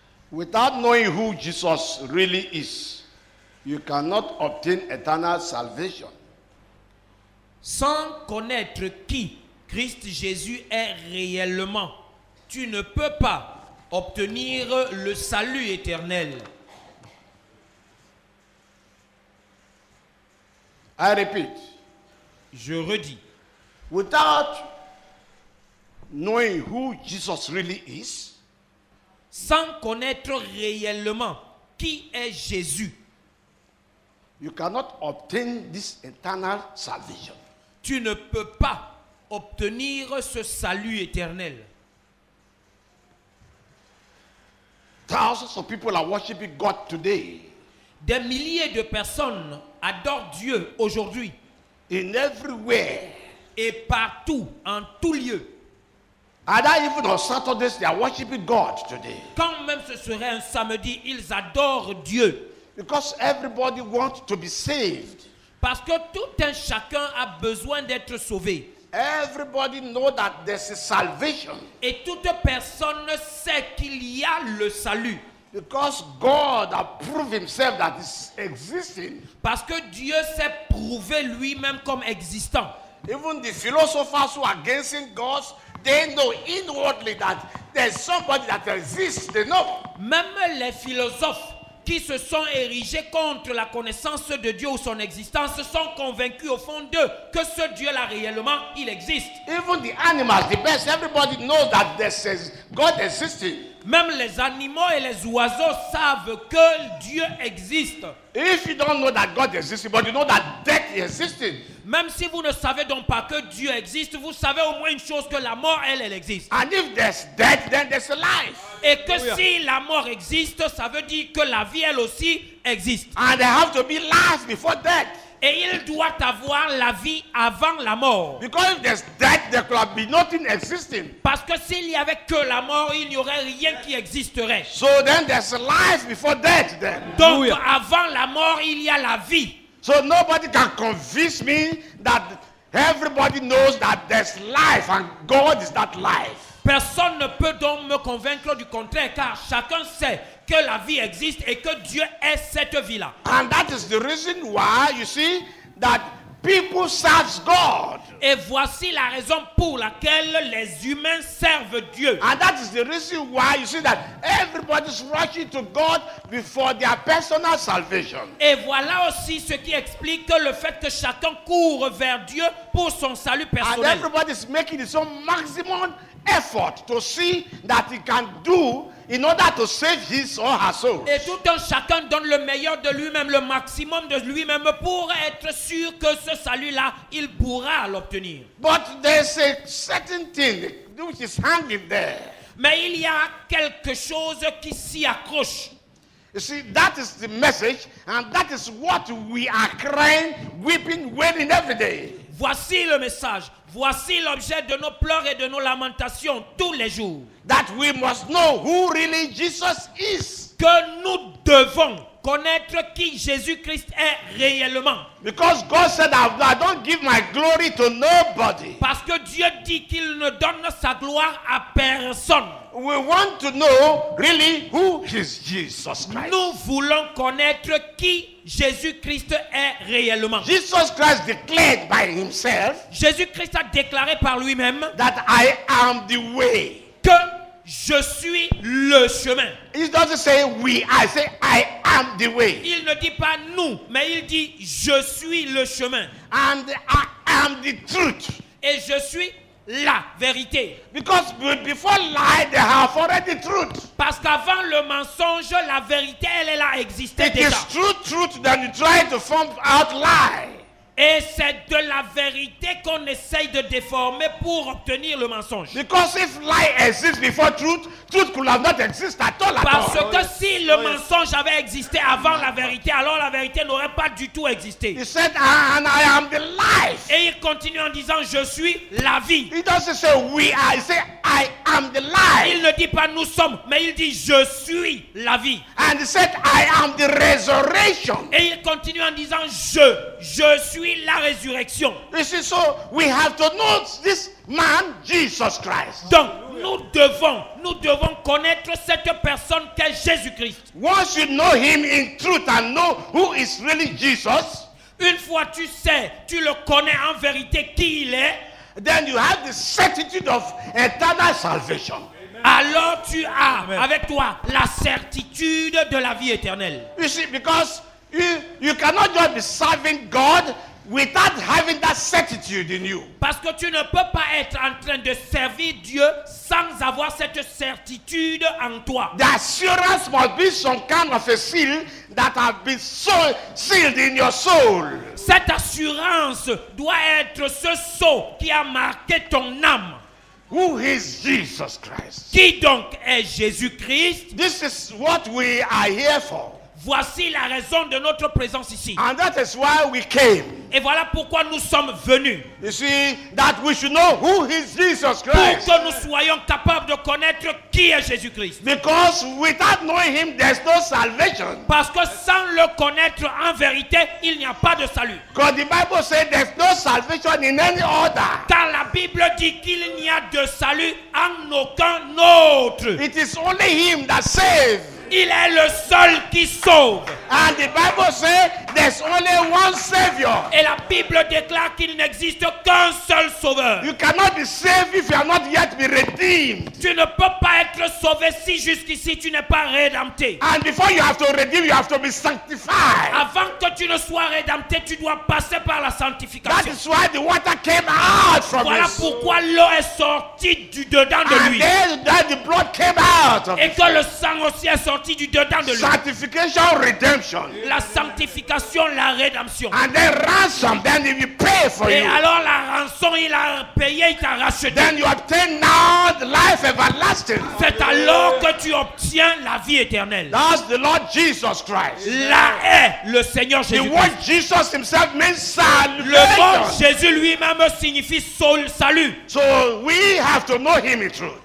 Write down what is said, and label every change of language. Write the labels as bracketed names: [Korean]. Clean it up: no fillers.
[English] Without knowing who Jesus really is, you cannot obtain eternal salvation. [French] Sans connaître qui Christ Jésus est réellement, tu ne peux pas obtenir le salut éternel. [English] I repeat. [French] Je redis. [English] Without knowing who Jesus really is, [French] sans connaître réellement qui est Jésus, [English] you cannot obtain this eternal salvation. [French] Tu ne peux pas obtenir ce salut éternel. [English] Thousands of people are worshiping God today. [French] Des milliers de personnes adorent Dieu aujourd'hui. [English] In everywhere. [French] Et partout, en tout lieu. [English] And even on Saturdays, they are worshiping God today. [French] Quand même ce serait un samedi, ils adorent Dieu. [English] Because everybody wants to be saved. [French] Parce que tout un chacun a besoin d'être sauvé. [English] Everybody knows that there's a salvation. [French] Et toute personne sait qu'il y a le salut. [English] Because God has proved himself that he's existing. [French] Parce que Dieu s'est prouvé lui-même comme existant. [English] Even the philosophers who are against God, they know inwardly that there's somebody that exists. They know. [French] Même les philosophes qui se sont érigés contre la connaissance de Dieu ou son existence sont convaincus au fond d'eux que ce Dieu-là réellement, il existe. [English] Even the animals, the best, everybody knows that this is God existing. [French] Même les animaux et les oiseaux savent que Dieu existe. [English] If you don't know that God exists, but you know that death exists. [French] Même si vous ne savez donc pas que Dieu existe, vous savez au moins une chose, que la mort, elle existe. [English] And if there's death, then there's life. [French] Et que oh, yeah. Si la mort existe, ça veut dire que la vie, elle aussi, existe. [English] And there have to be life before death. [French] Et il doit avoir la vie avant la mort. [English] Because if there's death, there could be nothing existing. [French] Parce que s'il y avait que la mort, il n'y aurait rien qui existerait. [English] So then there's life before death, then. [French] Donc oh, yeah. Avant la mort, il y a la vie. [English] So nobody can convince me that everybody knows that there's life and God is that life. [French] Personne ne peut donc me convaincre du contraire, car chacun sait que la vie existe et que Dieu est cette vie-là. [English] And that is the reason why, you see, that people serve God. [French] Et voici la raison pour laquelle les humains servent Dieu. [English] And that is the reason why, you see, that everybody is rushing to God before their personal salvation. [French] Et voilà aussi ce qui explique le fait que chacun court vers Dieu pour son salut personnel. [English] And everybody is making his own maximum effort to see that he can do in order to save his or her soul. [French] Et tout un chacun donne le meilleur de lui-même, le maximum de lui-même, pour être sûr que ce salut-là, il pourra l'obtenir. [English] But there's a certain thing which is hanging there. [French] Mais il y a quelque chose qui s'y accroche. [English] You see, that is the message, and that is what we are crying, weeping, wailing every day. [French] Voici le message. Voici l'objet de nos pleurs et de nos lamentations tous les jours. [English] That we must know who really Jesus is. [French] Que nous devons connaître qui Jésus-Christ est réellement. [English] Because God said, I don't give my glory to nobody. [French] Parce que Dieu dit qu'il ne donne sa gloire à personne. [English] We want to know really who is Jesus Christ. [French] Nous voulons connaître qui Jésus-Christ est réellement. [English] Jesus Christ declared by himself. [French] Jésus-Christ a déclaré par lui-même. [English] That I am the way. [French] Que je suis le chemin. [English] He doesn't say we, I say I am the way. [French] Il ne dit pas nous, mais il dit je suis le chemin. [English] And I am the truth. [French] Et je suis la vérité. [English] Because before lie, there have already truth. [French] Parce qu'avant le mensonge, la vérité, elle est là, existait déjà. [English] It is true truth that you try to form out lie. [French] Et c'est de la vérité qu'on essaye de déformer pour obtenir le mensonge. [English] Because if lie exists before truth, truth could have not existed at all. [French] Parce que si le mensonge avait existé avant la vérité, alors la vérité n'aurait pas du tout existé. [English] He said, and I am the life. [French] Et il continue en disant, je suis la vie. [English] He doesn't say we are, he said, I am the life. [French] Il ne dit pas nous sommes, mais il dit je suis la vie. [English] And he said I am the resurrection. [French] Et il continue en disant je suis la résurrection. [English] You see, so we have to know this man, Jesus Christ. [French] Donc nous devons connaître cette personne qu'est Jésus-Christ. [English] Once you know him in truth and know who is really Jesus. [French] Une fois tu sais, tu le connais en vérité qui il est. [English] Then you have the certitude of eternal salvation. [French] Alors tu as avec toi la certitude de la vie éternelle. [English] You see, because you cannot just be serving God without having that certitude in you. [French] Parce que tu ne peux pas être en train de servir Dieu sans avoir cette certitude en toi. [English] The assurance must be some kind of a seal that has been sealed in your soul. [French] Cette assurance doit être ce sceau qui a marqué ton âme. [English] Who is Jesus Christ? [French] Qui donc est Jésus-Christ? [English] This is what we are here for. [French] Voici la raison de notre présence ici. [English] And that is why we came. [French] Et voilà pourquoi nous sommes venus. [English] You see, that we should know who is Jesus Christ. [French] Pour que nous soyons capables de connaître qui est Jésus-Christ. [English] Because without knowing him, there's no salvation. [French] Parce que sans le connaître en vérité, il n'y a pas de salut. [English] Because the Bible says there's no salvation in any other. [French] Car la Bible dit qu'il n'y a de salut en aucun autre. [English] It is only him that saves. [French] Il est le seul qui sauve. [English] And the Bible says there's only one savior. [French] Et la Bible déclare qu'il n'existe qu'un seul sauveur. [English] You cannot be saved if you have not yet been redeemed. [French] Tu ne peux pas être sauvé si jusqu'ici tu n'es pas rédempté. [English] And before you have to redeem, you have to be sanctified. [French] Avant que tu ne sois rédempté, tu dois passer par la sanctification. [English] That is why the water came out from [French] voilà [English] his. [French] Pourquoi l'eau est sortie du dedans de [English] and [French] lui. [English] Then the blood came out of [French] et que le sang aussi est sorti du dedans de lui. [English] Sanctification, redemption. [French] La sanctification, la rédemption. [English] And then ransom, then he will pay for [French] et [English] you. [French] Et alors la rançon, il a payé, il t'a racheté. [English] Then you obtain now the life everlasting. [French] C'est alors que tu obtiens la vie éternelle. [English] That's the Lord Jesus Christ. [French] Là est le Seigneur Jésus. [English] The word Jesus himself means salvation. [French] Le mot Jésus lui-même signifie seul salut. [English] So we have to know him in truth.